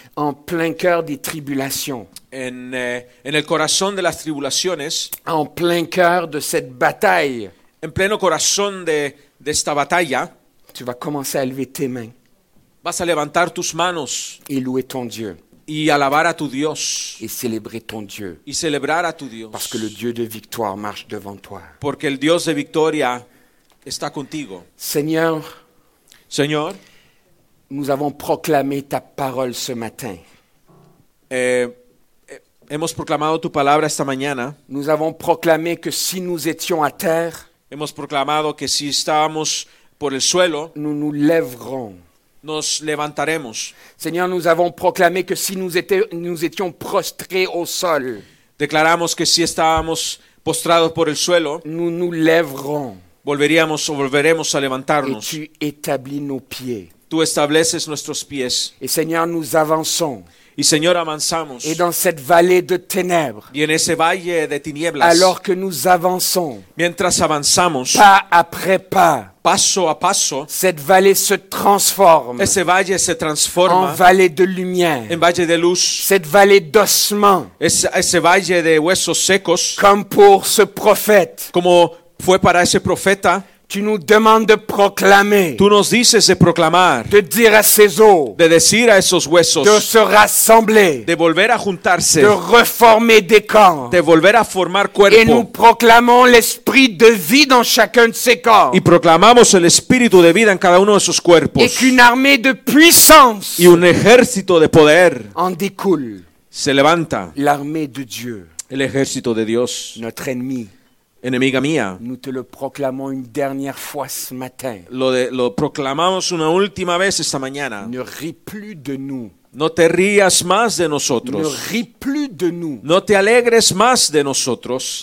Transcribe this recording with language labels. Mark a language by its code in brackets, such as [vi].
[fr] En plein cœur des tribulations. [es] En el corazón de las tribulaciones. [fr] En plein cœur de cette bataille. [es] En pleno corazón de esta batalla. [fr] Tu vas commencer à lever tes mains. [es] Vas a levantar tus manos. [fr] Y louer ton Dieu. [es] Y alabar a tu Dios. Y celebrar [fr] ton Dieu. [es] Y celebrar a tu Dios. [fr] Parce que le Dieu de victoire marche devant toi. [es] Porque el Dios de victoria está contigo. Señor. Señor, [fr] nous avons proclamé ta parole ce matin. [es] Hemos proclamado tu palabra esta mañana. [fr] Nous avons proclamé que si nous étions à terre, [es] hemos proclamado que si estábamos por el suelo, [fr] nous lèverons. [es] Nos levantaremos. [fr] Señor, nous avons proclamé que si nous étions prostrés au sol, [es] declaramos que si estábamos postrados por el suelo, [fr] nous lèverons. [es] Volveríamos o volveremos a levantarnos. [fr] Et tu établis nos pieds. [es] Tú estableces nuestros pies. [fr] Et Seigneur, nous avançons. [es] Y Señor, avanzamos. [fr] Et dans cette vallée de ténèbres. [es] Y en ese valle de tinieblas. [fr] Alors que nous avançons. [es] Mientras avanzamos. [fr] Pas après pas. [es] Paso a paso. [fr] Cette vallée se transforme. [es] Ese valle se transforma. [fr] En vallée de lumière. [es] En valle de luz. [fr] Cette vallée d'ossements. [es] Ese valle de huesos secos. [fr] Comme pour ce prophète. [es] Como fue para ese profeta. [fr] Tu nous demandes de proclamer. [es] Tú nos dices de proclamar. [fr] De dire à ces os. [es] De decir a esos huesos. [fr] De se rassembler. [es] De volver a juntarse. [fr] De reformer des corps. [es] De volver a formar cuerpo. [fr] Et nous proclamons l'esprit de vie dans chacun de ces corps. [es] Y proclamamos el espíritu de vida en cada uno de esos cuerpos. [fr] Et qu'une armée de puissance. [es] Y un ejército de poder. [fr] En découle. [es] Se levanta. [fr] L'armée de Dieu. [es] El ejército de Dios. [fr] Notre ennemi. [es] Enemiga mía. [fr] Nous te le proclamons une dernière fois ce matin. [es] Lo proclamamos una última vez esta mañana. [fr] Ne ris plus de nous. [es] No te rías más de nosotros. [fr] Ne ris plus de nous. [es] No te alegres más de nosotros.